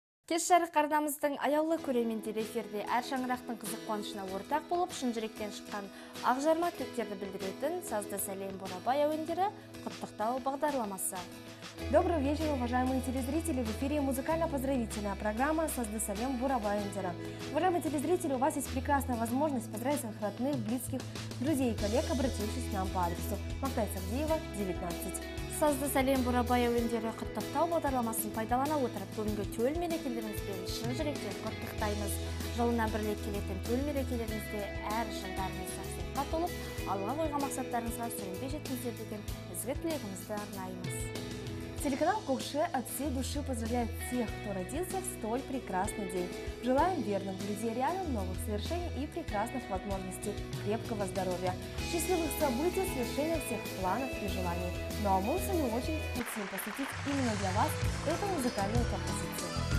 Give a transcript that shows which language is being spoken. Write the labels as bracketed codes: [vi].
[kk] Кеш жарық арнамыздың аяулы көрермендері эфирде әр шаңырақтың қызық қуанышына ортақ болып, шын жүректен шыққан ақжарма тілектерді білдіретін сазды сәлем Бурабай әуендері құттықтау бағдарламасы. [ru] Добрый вечер, уважаемые телезрители! В эфире музыкально-поздравительная программа «Сазды салем Бурабай Эндера». Уважаемые телезрители, у вас есть прекрасная возможность поздравить своих родных, близких, друзей и коллег, обратившись к нам по адресу Мактай Сардиева, 19. [kk] «Сазды салем Бурабай Эндера» құттықтау бағдарламасын пайдалана отырып, бүгінгі төл мерекелеріңізбен шын жүректен құттықтаймыз. Жылына бір рет келетін төл мерекелеріңізде әр жылдарыңызға сыйлыққа толып, алға қойған мақсаттарыңызға сүрінбей жеткізер деген ізгі тілегімізді арнаймыз. [ru] Телеканал «Кокше» от всей души поздравляет тех, кто родился в столь прекрасный день. Желаем верным друзей рядом новых свершений и прекрасных возможностей, крепкого здоровья, счастливых событий, свершения всех планов и желаний. Ну а мы, в свою очередь, хотим посвятить именно для вас эту музыкальную композицию.